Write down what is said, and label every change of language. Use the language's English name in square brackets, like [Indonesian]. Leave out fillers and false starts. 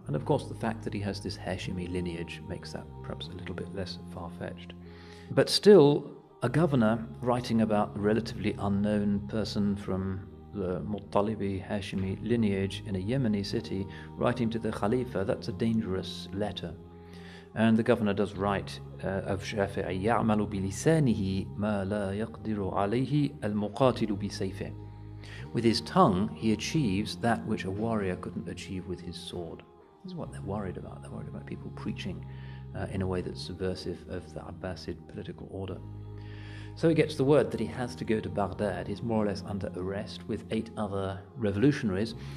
[English] And of course, the fact that he has this Hashimi lineage makes that perhaps a little bit less far-fetched. But still, a governor writing about a relatively unknown person from the Muttalibi Hashimi lineage in a Yemeni city, writing to the Khalifa, that's a dangerous letter. And the governor does write of Shafi, [Arabic] يَعْمَلُ بِلِسَانِهِ مَا لَا يَقْدِرُ عَلَيْهِ الْمُقَاتِلُ بِسَيْفِهِ. [English] With his tongue, he achieves that which a warrior couldn't achieve with his sword. This is what they're worried about. They're worried about people preaching in a way that's subversive of the Abbasid political order. So he gets the word that he has to go to Baghdad. He's more or less under arrest with eight other revolutionaries.